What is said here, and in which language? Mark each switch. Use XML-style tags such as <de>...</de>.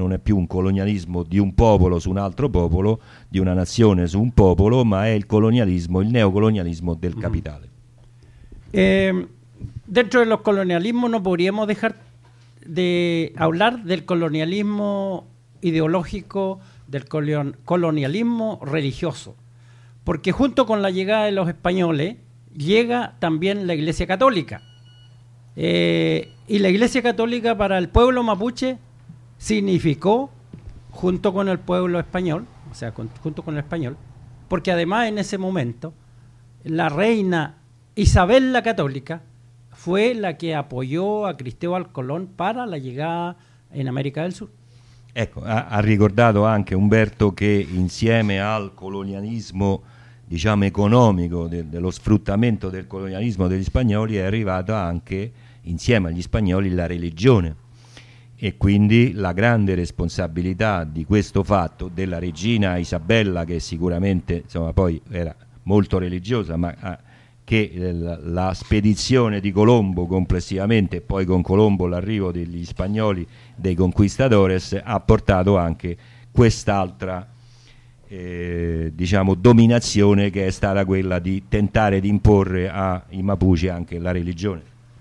<it>Non è più un colonialismo di un popolo su un altro popolo, di una nazione su un popolo, ma è il colonialismo, il neocolonialismo del capitale. Dentro dello colonialismo non potremmo</it> <es>dejar de hablar del colonialismo ideológico, del colonialismo religioso, porque junto con la llegada de los españoles llega también la Iglesia Católica. Y la Iglesia Católica para el pueblo mapuche significó, junto con el pueblo español, o sea, junto con el español, porque además en ese momento la reina Isabel la Católica fue la que apoyó a Cristóbal Colón para la llegada en América del Sur.</es> <it>Ecco, ha ricordato anche Umberto che insieme al colonialismo, diciamo, economico, dello sfruttamento del colonialismo degli spagnoli, è arrivata anche insieme agli spagnoli la religione. E quindi la grande responsabilità di questo fatto della regina Isabella, che sicuramente insomma poi era molto religiosa, ma che la spedizione di Colombo complessivamente, poi con Colombo l'arrivo degli spagnoli, dei conquistadores, ha portato anche quest'altra diciamo dominazione, che è stata quella di tentare di imporre ai Mapuche anche la religione.</it>